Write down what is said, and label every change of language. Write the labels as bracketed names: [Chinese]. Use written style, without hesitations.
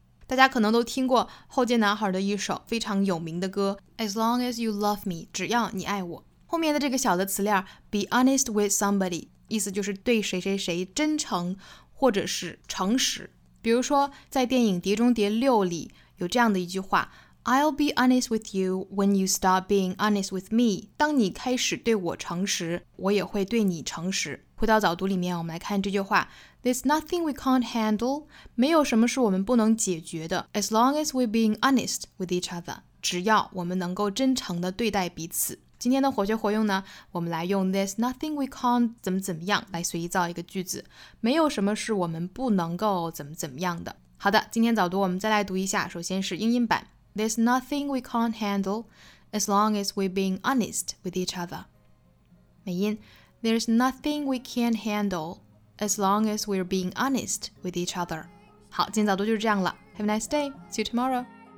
[Chinese] 大家可能都听过后街男孩的一首非常有名的歌 As long as you love me 只要你爱我后面的这个小的词链 Be honest with somebody 意思就是对谁谁谁真诚或者是诚实比如说在电影《碟中谍六》里有这样的一句话 I'll be honest with you when you stop being honest with me. 当你开始对我诚实，我也会对你诚实。回到早读里面，我们来看这句话。 [English] There's nothing we can't handle. [Chinese] 没有什么是我们不能解决的。 [English] As long as we're being honest with each other. [Chinese] 只要我们能够真诚地对待彼此。今天的活学活用呢，我们来用 There's nothing we can't 怎么怎么样来随意造一个句子。没有什么是我们不能够怎么怎么样的。好的，今天早读我们再来读一下。首先是英音版。 [English] There's nothing we can't handle as long as we're being honest with each other. 美音 There's nothing we can't handle as long as we're being honest with each other. 好，今天早读就是这样了。 Have a nice day. See you tomorrow.